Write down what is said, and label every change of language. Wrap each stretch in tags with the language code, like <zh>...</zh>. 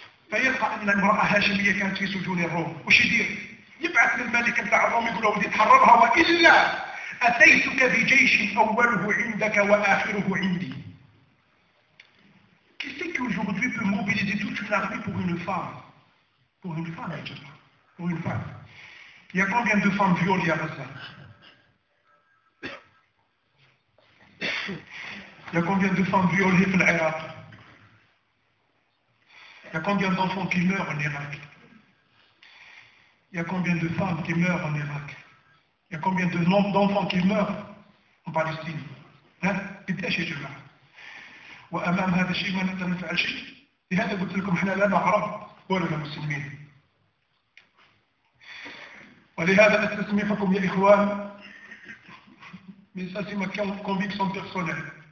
<ar>فيلقى ان امرأة هاشمية كانت في سجون الروم وش يدير؟ يبعث للملك ابن الروم يقول له ودي تحررها والا أتيتك بجيش أوله عندك وآخره عندي.</ar> <fr>Qui c'est qui aujourd'hui peut mobiliser toute une armée pour une femme? Pour une femme, je sais pas. Pour une femme. Il y a combien de femmes violées à Gaza? Il y a combien de femmes violées en Irak? Il y a combien d'enfants qui meurent en Irak? Il y a combien de femmes qui meurent en Irak? Il y a combien de nombre d'enfants qui meurent en Palestine?</fr> <ar>هذا بالدهشة يا جماعة. وأمام هذا الشيء ما نقدر نفعل شيء. لهذا قلت لكم احنا لا نعرف ولا مسلمين. ولهذا استسميحكم يا إخوان من ساسي مكان</ar> <fr>كونفيكسيون بيرسونيل.</fr>